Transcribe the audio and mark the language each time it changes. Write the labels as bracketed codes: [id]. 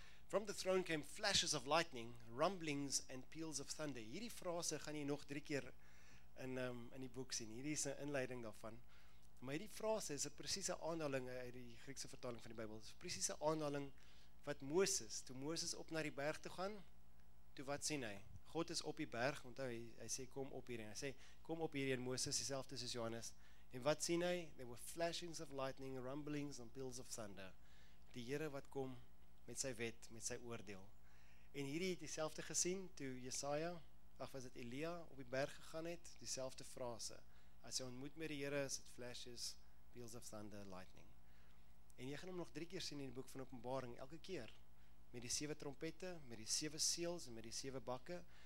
[en] From the throne came flashes of lightning, rumblings and peals of thunder. [af] Hierdie frase gaan jy nog 3 keer in die boek sien. Hierdie is 'n inleiding daarvan. Maar hierdie frase is 'n presiese aanhaling uit die Griekse vertaling van die Bybel. Dis 'n presiese aanhaling wat Moses, toe Moses op na die berg toe gaan, toe wat sien hy? God is op die berg, onthou hy sê kom op hierheen. Hy sê kom op hierheen, Moses, dieselfde soos Johannes. En wat sien hy? [en] There were flashings of lightning, rumblings and peals of thunder. [af] Die Here wat kom met sy wet, met sy oordeel. En hierdie het dieselfde gesien toe Jesaja, ag was dit Elia, op die berg gegaan het, dieselfde frase. As jy ontmoet met die Here, is dit [en] flashes, peals of thunder, lightning. [af] En jy gaan hom nog 3 keer sien in die boek van Openbaring, elke keer. Met die 7 trompette, met die 7 seels en met die 7 bakke.